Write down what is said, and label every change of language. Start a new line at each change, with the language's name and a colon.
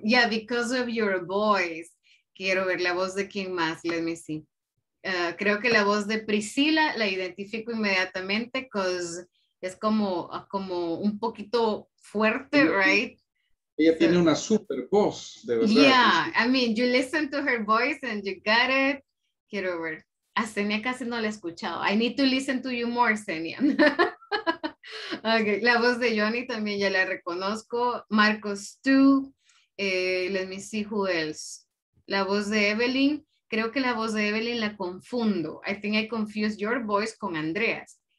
English: Yeah, because of your voice.
Spanish: Quiero ver la voz de quién más,
English: let me see.
Spanish: Creo que la voz de Priscila la identifico inmediatamente because es como un poquito fuerte, ella, right? Ella so, tiene una super voz, de verdad.
English: Yeah, I mean, you listen to her voice and you got it.
Spanish: Quiero ver. A Senia casi no la he escuchado.
English: I need to listen to you more, Senia.
Spanish: Okay, la voz de Johnny también ya la reconozco. Marcos, tú.
English: Let me see who else.
Spanish: La voz de Evelyn. Creo que la voz de Evelyn la confundo.
English: I think I confused your voice con Andrea's.